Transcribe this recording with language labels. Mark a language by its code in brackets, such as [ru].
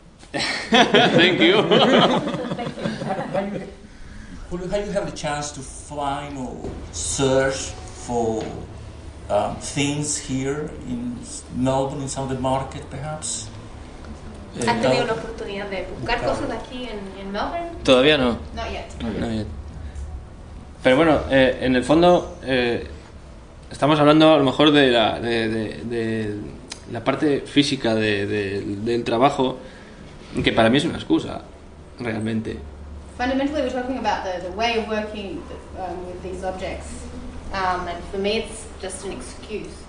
[en] Thank you. Have you had a chance to find or search for things here in Melbourne, in some of the market, perhaps? [es] ¿Has tenido una oportunidad de buscar cosas aquí en Melbourne? Todavía no. [en] Not yet. [es] Pero bueno, en el fondo estamos hablando a lo mejor de la parte física del trabajo, que para mí es una excusa, realmente. [en] Fundamentally, we're talking about the way of working with these objects, and for me, it's just an excuse.